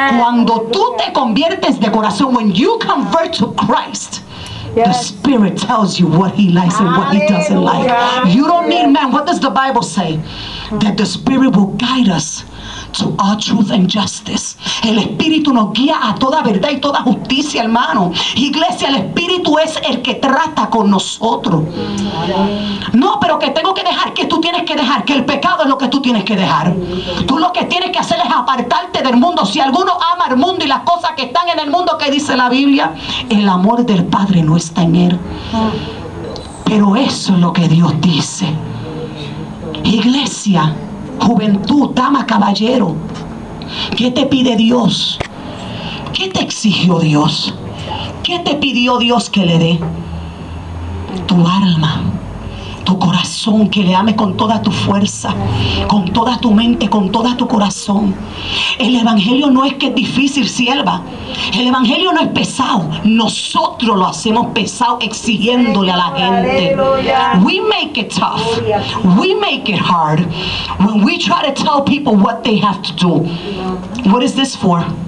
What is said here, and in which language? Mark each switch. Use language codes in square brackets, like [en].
[es] Cuando tú te conviertes de corazón, [en] when you convert to Christ, the Spirit tells you what He likes and what He doesn't like. You don't need man. What does the Bible say? That the Spirit will guide us to all truth and justice. [es] El Espíritu nos guía a toda verdad y toda justicia, hermano. Iglesia, el Espíritu es el que trata con nosotros. No, pero que tengo que dejar, que tú tienes que dejar, que el pecado es lo que tú tienes que dejar. Tú lo que tienes que hacer es apartarte del mundo. Si alguno ama el mundo y las cosas que están en el mundo, ¿qué dice la Biblia? El amor del Padre no está en él. Pero eso es lo que Dios dice. Iglesia, juventud, dama, caballero, ¿qué te pide Dios? ¿Qué te exigió Dios? ¿Qué te pidió Dios que le dé? Tu alma, tu corazón, que le ame con toda tu fuerza, con toda tu mente, con todo tu corazón. El evangelio no es que es difícil, sierva. El evangelio no es pesado. Nosotros lo hacemos pesado exigiéndole a la gente. [en] We make it tough. We make it hard. When we try to tell people what they have to do. What is this for?